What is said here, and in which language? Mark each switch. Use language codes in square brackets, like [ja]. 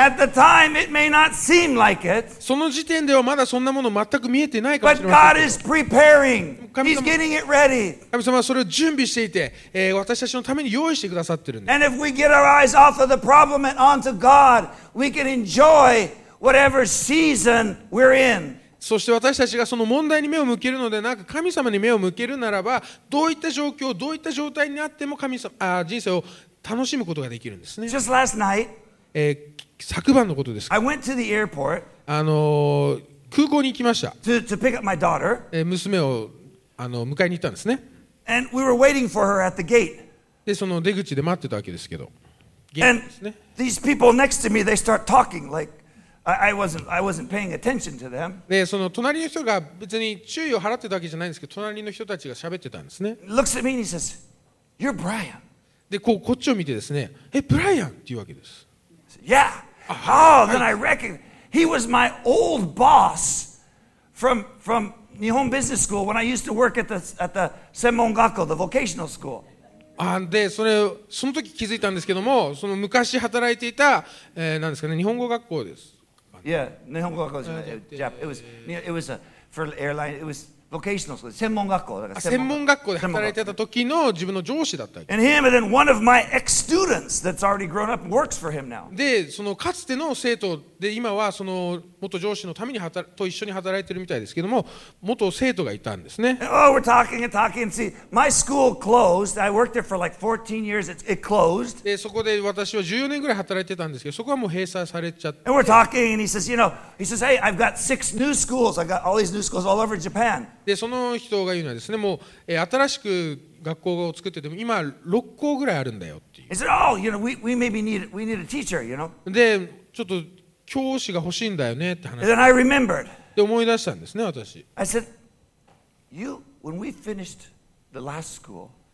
[en] At the time, it may not seem like it. [ja] その時点ではまだそんなもの全く見えてないかもしれません。 [en] But God is preparing. He's getting it ready. [ja] 神様はそれを準備していて、私たちのために用意してくださってるんです。 [en] And if we get our eyes off of the problem and onto God, we can enjoy whatever season we're in. [ja] そして私たちがその問題に目を向けるのでなく、神様に目を向けるならば、どういった状況、どういった状態になっても神様、あ、人生を楽しむことができるんですね。 [en] Just last night, [ja] 昨晩のことですか。 [en] I went to the airport. [ja] 空港に行きました。 [en] To pick up my daughter. [ja] 娘を迎えに行ったんですね。 [en] And we were waiting for her at the gate. [ja] で、その出口で待ってたわけですけど。 [en] And these people next to me, they start talking like I wasn't paying attention to them. [ja] で、その隣の人が別に注意を払ってたわけじゃないんですけど、隣の人たちが喋ってたんですね。 [en] Looks at me and he says, "You're Brian." [ja] で、こっちを見てですね、え、ブライアンっていうわけです。 [en] Yeah. Oh, then I reckon he was my old boss from 日本ビジネススクール、when I used to work at the, at the 専門学校、the vocational school. [ja] で、それ、その時気づいたんですけども、その昔働いていた、なんですかね、日本語学校です。 [en] Yeah, [ja] 日本語学校ですね。 [en] It was a, for airline, it was vocational school, 専門学校。だから [ja] 専門学校で働いてた時の自分の上司だった。 [en] And him, and then one of my ex-students that's already grown up works for him now. [ja] で、そのかつての生徒で、今はその元上司のために働と一緒に働いてるみたいですけども、元生徒がいたんですね。 [en] And, oh, we're talking and talking. See, my school closed. I worked there for like 14 years. It closed. [ja] で、そこで私は14年ぐらい働いてたんですけど、そこはもう閉鎖されちゃって。 [en] And we're talking and he says, you know, he says, hey, I've got six new schools. I've got all these new schools all over Japan. [ja] でその人が言うのはですね、もう、新しく学校を作ってても今6校ぐらいあるんだよっていう。 [en] He said, "Oh, you know, we maybe need a teacher, you know." [ja] で、ちょっと教師が欲しいんだよねって話。 [en] And then I remembered. [ja] で思い出したんですね、私。 [en] I said, "You, when we finished the last school."